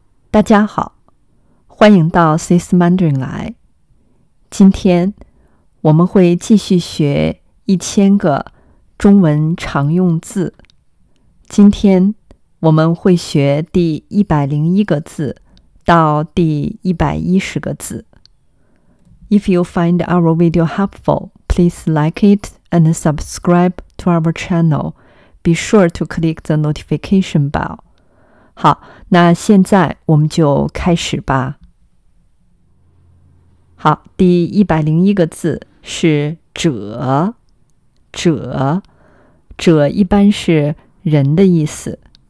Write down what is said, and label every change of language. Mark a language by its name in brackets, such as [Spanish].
[Chinese] 大家好，欢迎到 SyS Mandarin 来。今天我们会继续学1000个中文常用字。今天我们会学第101个字到第110个字。 [English] If you find our video helpful, please like it and subscribe to our channel. Be sure to click the notification bell. [Chinese] 好，那现在我们就开始吧。好，第101个字是者，者，者一般是人的意思。